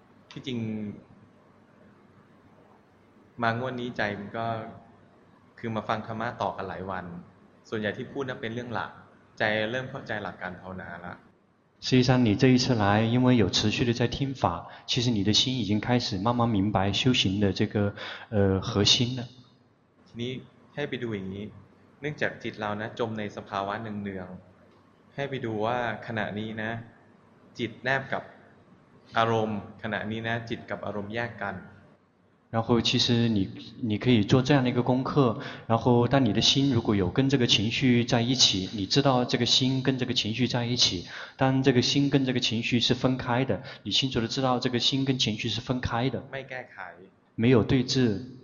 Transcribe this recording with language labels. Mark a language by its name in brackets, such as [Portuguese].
[Thai] ที่จริงมางวดนี้ใจมันก็คือมาฟังธรรมะต่อกันหลายวันส่วนใหญ่ที่พูดนั้นเป็นเรื่องหลักใจเริ่มเข้าใจหลักการภาวนาแล้ว [Chinese] 实际上你这一次来因为有持续的在听法，其实你的心已经开始慢慢明白修行的这个核心了。 [Thai] 你ให้ไปดูอย่างนี้เนื่องจากจิตเรานะจมในสภาวะเนืองๆให้ไปดูว่าขณะนี้นะจิตแนบกับอารมณ์ขณะนี้นะจิตกับอารมณ์แยกกัน [Chinese] 然后其实你可以做这样的一个功课，然后当你的心如果有跟这个情绪在一起，你知道这个心跟这个情绪在一起，当这个心跟这个情绪是分开的，你清楚的知道这个心跟情绪是分开的，没有对峙。